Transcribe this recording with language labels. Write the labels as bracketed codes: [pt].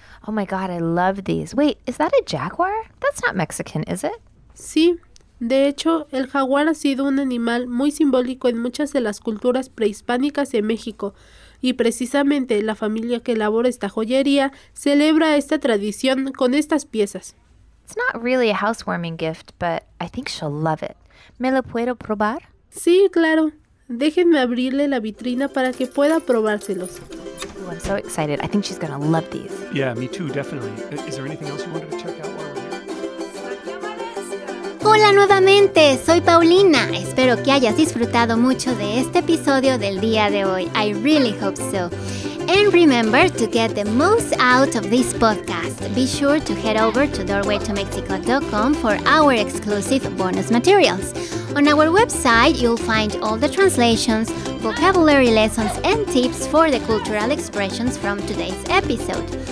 [en] Oh my God, I love these. Wait, is that a jaguar? That's not Mexican, is it? [es] Sí. De hecho, el jaguar ha sido un animal muy simbólico en muchas de las culturas prehispánicas de México, y precisamente la familia que elabora esta joyería celebra esta tradición con estas piezas. [en] It's not really a housewarming gift, but I think she'll love it. [es] ¿Me lo puedo probar? Sí, claro. Déjenme abrirle la vitrina para que pueda probárselos. [en] Ooh, I'm so excited. I think she's gonna love these. Yeah, me too, definitely. Is there anything else you wanted to check out? [es] Hola nuevamente, soy Paulina. Espero que hayas disfrutado mucho de este episodio del día de hoy. [en] I really hope so. And remember, to get the most out of this podcast, be sure to head over to doorwaytomexico.com for our exclusive bonus materials. On our website, you'll find all the translations, vocabulary lessons, and tips for the cultural expressions from today's episode.